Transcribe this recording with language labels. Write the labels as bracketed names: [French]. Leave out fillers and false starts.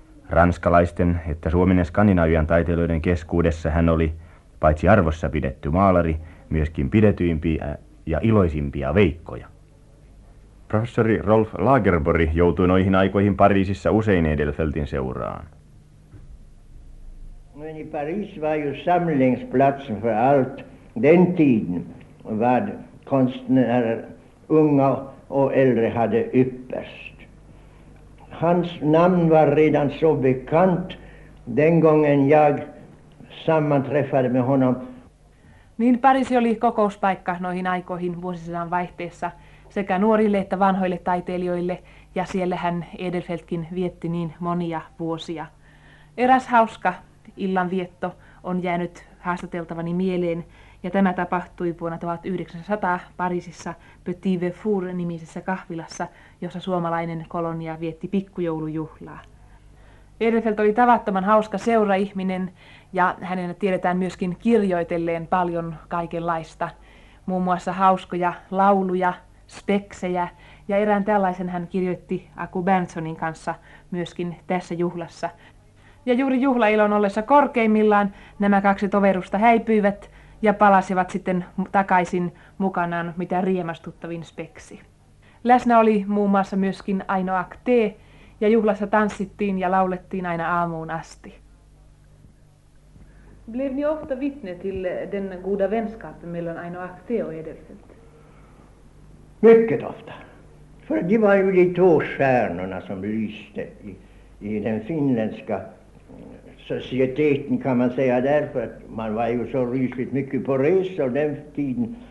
[Finnish] Ranskalaisten, että Suomen ja Skandinavian taiteilijoiden keskuudessa hän oli paitsi arvossa pidetty maalari, myöskin pidetyimpiä ja iloisimpia veikkoja. Professori Rolf Lagerbori joutui noihin aikoihin Pariisissa usein Edelfeltin seuraan. [Swedish] Men i Paris var ju samlingsplatsen för allt den tiden vad konstnärer, unga och äldre hade ypperst. Hans namn var redan så bekant den gången jag sammanträffade med honom. [Finnish] Niin Paris oli kokouspaikka noihin aikoihin vuosisadan vaihteessa sekä nuorille että vanhoille taiteilijoille, ja siellähän Edelfeltkin vietti niin monia vuosia. Eräs hauska illanvietto on jäänyt haastateltavani mieleen, ja tämä tapahtui vuonna 1900 Pariisissa Petit Véfour-nimisessä kahvilassa, jossa suomalainen kolonia vietti pikkujoulujuhlaa. Edelfelt oli tavattoman hauska seuraihminen, ja hänen tiedetään myöskin kirjoitelleen paljon kaikenlaista, muun muassa hauskoja lauluja, speksejä, ja erään tällaisen hän kirjoitti Aku Bensonin kanssa myöskin tässä juhlassa. Ja juuri juhlailon ollessa korkeimmillaan nämä kaksi toverusta häipyivät ja palasivat sitten takaisin mukanaan mitä riemastuttavin speksi. Läsnä oli muun muassa myöskin Aino Akte, ja juhlassa tanssittiin ja laulettiin aina aamuun asti. [Swedish] Blev ni ofta vittne till den goda vänskapen mellan Aino Akte och Edelfelt? Mycket ofta. För det var ju de två stjärnorna som lyste i den finländska societeten, kan man säga, därför att man var ju så rysligt mycket på resor den tiden.